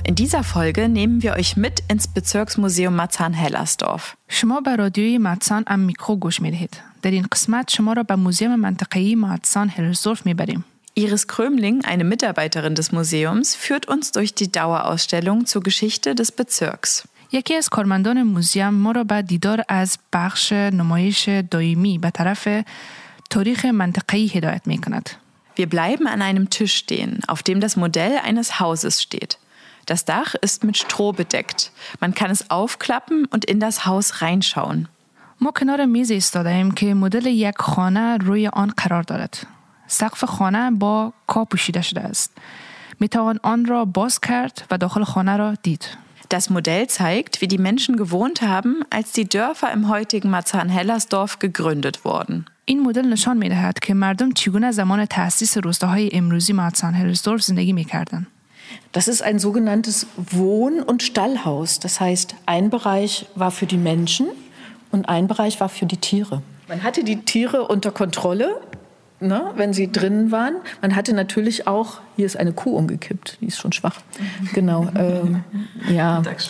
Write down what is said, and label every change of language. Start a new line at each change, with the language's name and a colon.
German: In dieser Folge nehmen wir euch mit ins Bezirksmuseum Marzahn-Hellersdorf.
Persian: شما به رادیوی مارتسان ام میکرو گوش میدهید. در این قسمت شما را به موزیم منطقه‌ای مارتسان-هلزدورف میبریم.
German: Iris Krömling, eine Mitarbeiterin des Museums, führt uns durch die Dauerausstellung zur Geschichte des Bezirks.
Persian: یکی از کارمندان موزیم ما را به دیدار از بخش نمایش دائمی به طرف تاریخ منطقه‌ای هدایت میکند.
German: Wir bleiben an einem Tisch stehen, auf dem das Modell eines Hauses steht. Das Dach ist mit Stroh bedeckt. Man kann es aufklappen und in das Haus reinschauen.
Persian: ما کنار میز ایستاده‌ایم که مدل یک خانه روی آن قرار دارد. سقف خانه با کاه پوشیده شده است. می‌توان آن را باز کرد و داخل خانه را دید.
German: Das Modell zeigt, wie die Menschen gewohnt haben, als die Dörfer im heutigen Marzahn-Hellersdorf gegründet wurden.
Persian: این مدل نشان می‌دهد که مردم چگونه زمان تأسیس روستاهای امروزی مارتسان-هلزدورف زندگی می‌کردند.
German: Das ist ein sogenanntes Wohn- und Stallhaus. Das heißt, ein Bereich war für die Menschen und ein Bereich war für die Tiere. Man hatte die Tiere unter Kontrolle, ne, wenn sie drinnen waren. Man hatte natürlich auch, hier ist eine Kuh umgekippt, die ist schon schwach. Genau. Ja.